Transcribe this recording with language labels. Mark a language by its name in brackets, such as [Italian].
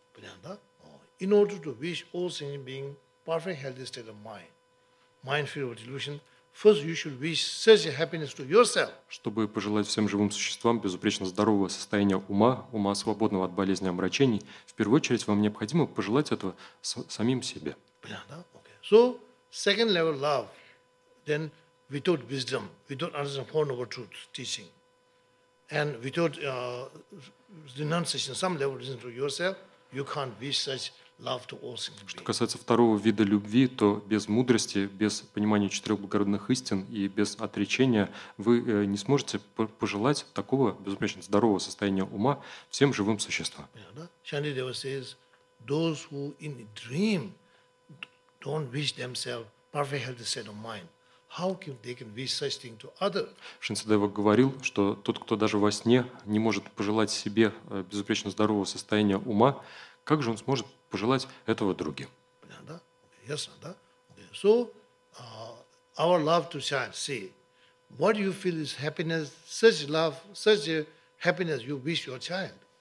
[Russian] Понятно, да? [English] In order to wish all sentient beings perfect healthy state of mind free of delusion, first, you should wish such a happiness to yourself. [Russian] Чтобы пожелать всем живым существам безупречно здорового состояния ума свободного от болезней и омрачений, в первую очередь вам необходимо пожелать этого самим себе. Понятно, да? [English] Okay. So, second level love, then without wisdom, without understanding of truth teaching, and without renunciation, some level renunciation to yourself, you can't wish such. [Russian] Что касается второго вида любви, то без мудрости, без понимания четырех благородных истин и без отречения вы не сможете пожелать такого безупречно здорового состояния ума всем живым существам. [English] Шандидева says, those who in a dream don't wish themselves perfect healthy state of mind. How can they can wish such thing to others? [Russian] Шинсидева говорил, что тот, кто даже во сне не может пожелать себе безупречно здорового состояния ума, как же он сможет пожелать этого другим? Понятно, да? [English] Yes, [Russian] да? [English] Okay. So, our love to child, see, what you feel is happiness, such love, such a happiness you wish your child.